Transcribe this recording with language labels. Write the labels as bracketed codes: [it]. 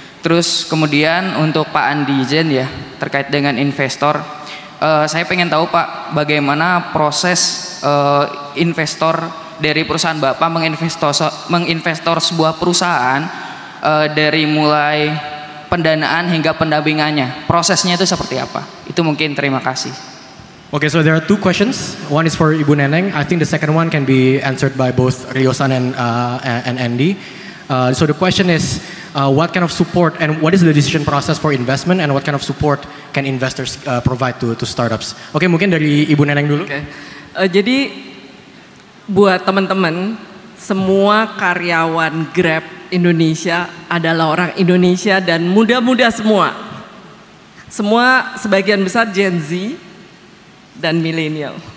[id] Terus kemudian untuk Pak Andi Jen ya, terkait dengan investor, saya pengen tahu Pak bagaimana proses investor dari perusahaan Bapak menginvestor sebuah perusahaan dari mulai pendanaan hingga pendampingannya, prosesnya itu seperti apa? Itu mungkin, terima kasih. [en] Okay, so there are two questions. One is for Ibu Neneng. I think the second one can be answered by both Ryosan and Andy. So the question is, what kind of support and what is the decision process for investment and what kind of support can investors provide to startups? [id] Okay, mungkin dari Ibu Neneng dulu. [en] Okay. [id] Jadi buat teman-teman, semua karyawan Grab Indonesia adalah orang Indonesia dan muda-muda semua. Semua sebagian besar Gen Z dan milenial.